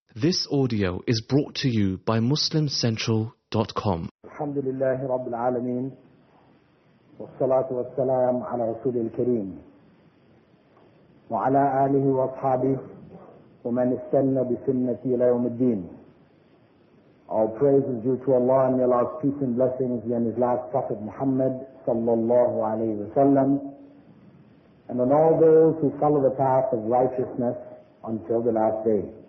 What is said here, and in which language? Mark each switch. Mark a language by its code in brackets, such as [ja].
[en] This audio is brought to you by MuslimCentral.com. [ar] الحمد لله رب العالمين والصلاة والسلام على رسول الكريم وعلى آله وأصحابه ومن استنى بسنته إلى يوم الدين. [en] All praise is due to Allah and may Allah's peace and blessings be on His last Prophet Muhammad [ar] صلى الله عليه وسلم [en] and on all those who follow the path of righteousness until the last day.